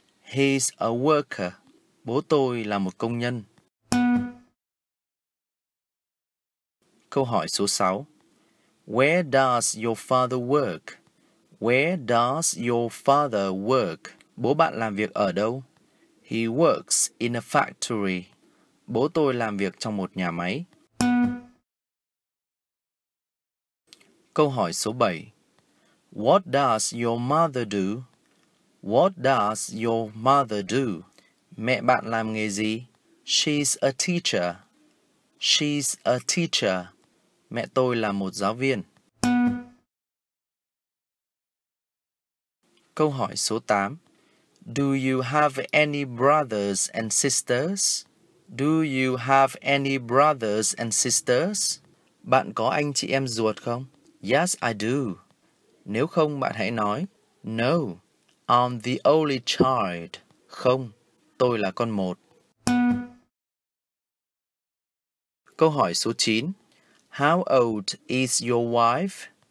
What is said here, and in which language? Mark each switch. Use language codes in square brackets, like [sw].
[en] He's a worker. [vi] Bố tôi là một công nhân. Câu hỏi số 6. [en] Where does your father work? Where does your father work? [vi] Bố bạn làm việc ở đâu? [en] He works in a factory. [vi] Bố tôi làm việc trong một nhà máy. Câu hỏi số 7. [en] What does your mother do? What does your mother do? [vi] Mẹ bạn làm nghề gì? [en] She's a teacher. She's a teacher. [vi] Mẹ tôi là một giáo viên. Câu hỏi số 8. [en] Do you have any brothers and sisters? Do you have any brothers and sisters? [vi] Bạn có anh chị em ruột không? [en] Yes, I do. [vi] Nếu không, bạn hãy nói. [en] No, I'm the only child. [vi] Không, tôi là con một. Câu hỏi số 9. [en] How old is your wife?